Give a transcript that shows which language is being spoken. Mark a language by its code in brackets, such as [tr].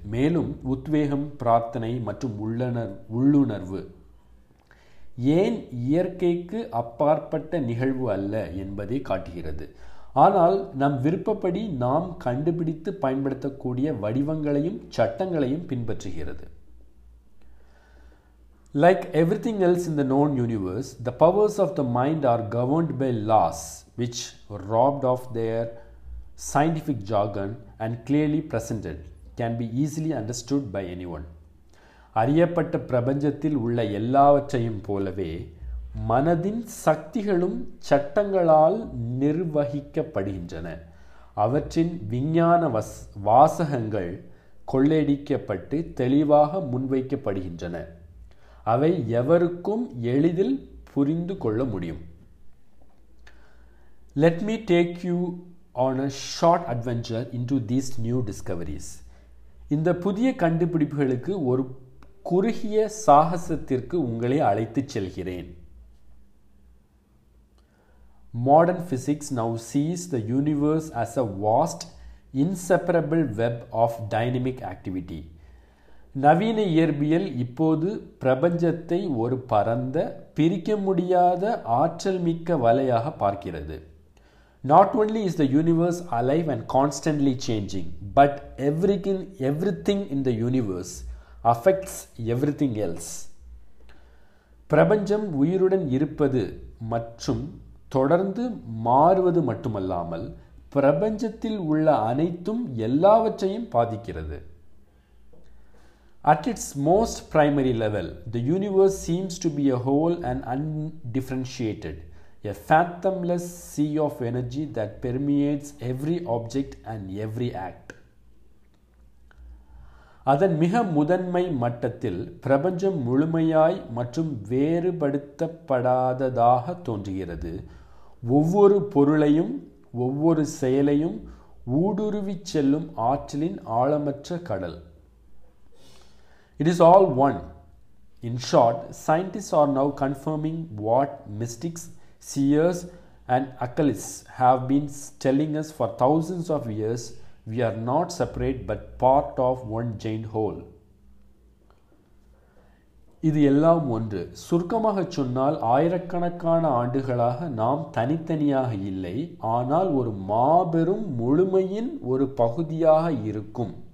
[ta] மேலும் உத்வேகம், பிரார்த்தனை மற்றும் உள்ளுணர்வு ஏன் இயற்கைக்கு அப்பாற்பட்ட நிகழ்வு அல்ல என்பதை காட்டுகிறது. ஆனால் நம் விருப்பப்படி நாம் கண்டுபிடித்து பயன்படுத்தக்கூடிய வடிவங்களையும் சட்டங்களையும் பின்பற்றுகிறது. [en] Like everything else in the known universe, the powers of the mind are governed by laws which robbed of their scientific jargon and clearly presented can be easily understood by anyone. [ta] அறியப்பட்ட பிரபஞ்சத்தில் உள்ள எல்லாவற்றையும் போலவே மனதின் சக்திகளும் சட்டங்களால் நிர்வகிக்கப்படுகின்றன. அவற்றின் விஞ்ஞான வாசகங்கள் கொள்ளையடிக்கப்பட்டு தெளிவாக முன்வைக்கப்படுகின்றன. அவை எவருக்கும் எளிதில் புரிந்து கொள்ள முடியும். [en] Let me take you on a short adventure into these new discoveries. [ta] இந்த புதிய கண்டுபிடிப்புகளுக்கு ஒரு குறுகிய சாகசத்திற்கு உங்களை அழைத்துச் செல்கிறேன். [en] Modern physics now sees the universe as a vast, inseparable web of dynamic activity. [ta] நவீன இயற்பியல் இப்போது பிரபஞ்சத்தை ஒரு பரந்த, பிரிக்க முடியாத ஆற்றல் மிக்க வலையாக பார்க்கிறது. [en] Not only is the universe alive and constantly changing, but everything in the universe affects everything else. [ta] பிரபஞ்சம் உயிருடன் இருப்பது மற்றும் தொடர்ந்து மாறுவது மட்டுமல்லாமல் பிரபஞ்சத்தில் உள்ள அனைத்தும் எல்லாவற்றையும் பாதிக்கிறது. [en] At its most primary level, the universe seems to be a whole and undifferentiated, a fathomless sea of energy that permeates every object and every act. [ta] அதன் மிக முதன்மை மட்டத்தில் பிரபஞ்சம் முழுமையாய் மற்றும் வேறுபடுத்தப்படாததாக தோன்றுகிறது. ஒவ்வொரு பொருளையும் ஒவ்வொரு செயலையும் ஊடுருவி செல்லும் ஆற்றலின் ஆழமற்ற கடல். [en] It is all one. In short, scientists are now confirming what mystics, seers, and occultists have been telling us for thousands of years. We are not separate but part of one giant whole. [ta] இது எல்லாம் ஒன்று. சுருக்கமாக சொன்னால், ஆயிரக்கணக்கான ஆண்டுகளாக நாம் தனித்தனியாக இல்லை, ஆனால் ஒரு மாபெரும் முழுமையின் ஒரு பகுதியாக இருக்கும்.